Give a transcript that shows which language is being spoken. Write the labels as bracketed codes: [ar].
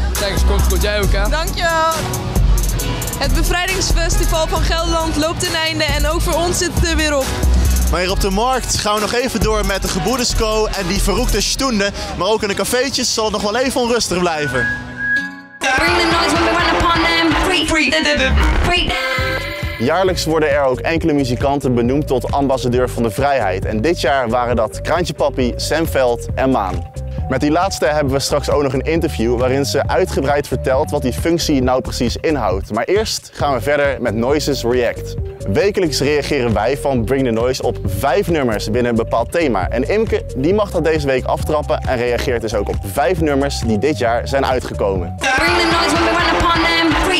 [nl] Thanks, komt goed. Jij ook, hè? Dankjewel. Het Bevrijdingsfestival van Gelderland loopt ten einde en ook voor ons zit het er weer op. Maar hier op de markt gaan we nog even door met de Geboedesco en die verroekte stoende. Maar ook in de cafeetjes zal het nog wel even onrustig blijven. [en] Bring the noise when we run upon them. [nl] Jaarlijks worden er ook enkele muzikanten benoemd tot ambassadeur van de vrijheid. En dit jaar waren dat Kraantje Papi, Sam Veld en Maan. Met die laatste hebben we straks ook nog een interview waarin ze uitgebreid vertelt wat die functie nou precies inhoudt. Maar eerst gaan we verder met Noises React. Wekelijks reageren wij van Bring the Noise op 5 nummers binnen een bepaald thema. En Imke die mag dat deze week aftrappen en reageert dus ook op 5 nummers die dit jaar zijn uitgekomen. [en] Bring the noise when we run upon them.